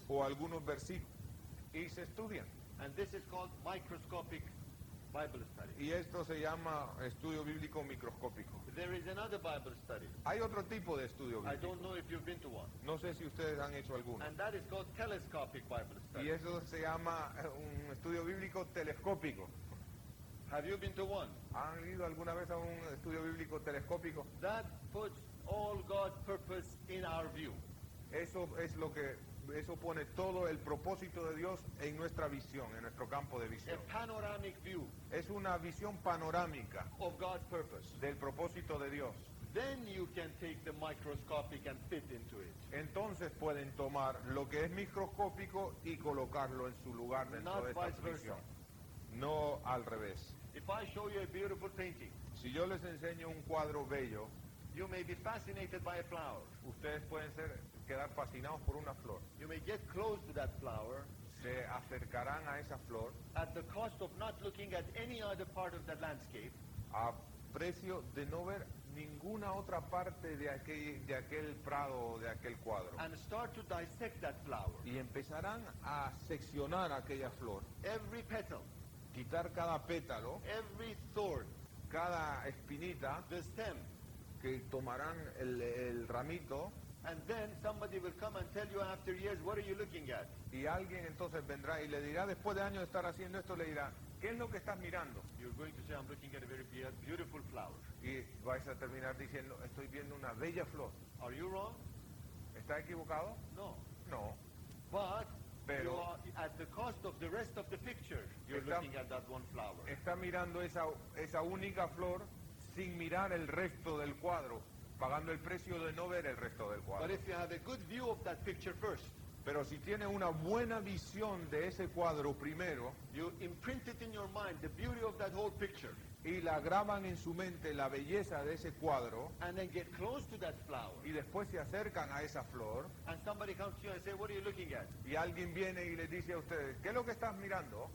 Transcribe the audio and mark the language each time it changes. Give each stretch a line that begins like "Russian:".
Spanish: o algunos versículos, y se estudian.
English: And this is called microscopic Bible study.
Spanish: Y esto se llama estudio bíblico microscópico.
English: There is another Bible study.
Spanish: Hay otro tipo de estudio bíblico.
English: I don't know if you've been to one.
Spanish: No sé si ustedes han hecho alguno.
English: And that is called telescopic Bible study.
Spanish: Y eso se llama un estudio bíblico telescópico.
English: Have you been to one?
Spanish: ¿Han ido alguna vez a un estudio bíblico telescópico?
English: That puts all God's purpose in our view.
Spanish: Eso es lo que eso pone todo el propósito de Dios en nuestra visión, en nuestro campo de visión.
English: A panoramic view.
Spanish: Es una visión panorámica
English: of God's purpose.
Spanish: Del propósito de Dios.
English: Then you can take the microscopic and fit into it.
Spanish: Entonces pueden tomar lo que es microscópico y colocarlo en su lugar dentro
English: not
Spanish: de esta visión. No al revés.
English: If I show you a beautiful painting,
Spanish: si yo les enseño un cuadro bello,
English: you may be fascinated by a flower.
Spanish: Ustedes pueden ser quedar fascinados por una flor.
English: You may get close to that flower.
Spanish: Se acercarán a esa flor.
English: At the cost of not looking at any other part of that landscape.
Spanish: A precio de no ver ninguna otra parte de aquel prado o de aquel cuadro.
English: And start to dissect that flower.
Spanish: Y empezarán a seccionar aquella flor.
English: Every petal.
Spanish: Quitar cada pétalo.
English: Every thorn.
Spanish: Cada espinita.
English: The stem.
Spanish: Que tomarán el ramito.
English: And then somebody will come and tell you after years, what are you looking at?
Spanish: Y alguien entonces vendrá y le dirá, después de años de estar haciendo esto, le dirá, ¿qué es lo que estás mirando?
English: You're going to say, I'm looking at a very beautiful flower.
Spanish: Y vais a terminar diciendo, estoy viendo una bella flor.
English: Are you wrong?
Spanish: ¿Está equivocado?
English: No.
Spanish: No.
English: But
Spanish: pero
English: you are, at the cost of the rest of the picture, you're looking at that one flower.
Spanish: Está mirando esa única flor sin mirar el resto del cuadro. Pagando el precio de no ver el resto del cuadro.
English: But if you have a good view of that picture first,
Spanish: pero si tiene una buena visión de ese cuadro primero,
English: you imprint it in your mind, the beauty of that whole picture,
Spanish: y la graban en su mente la belleza de ese cuadro,
English: and then get close to that flower,
Spanish: y después se acercan a esa flor,
English: and somebody comes to you and say, what are you looking at?
Spanish: Y alguien viene y le dice a ustedes, ¿qué es lo que estás mirando?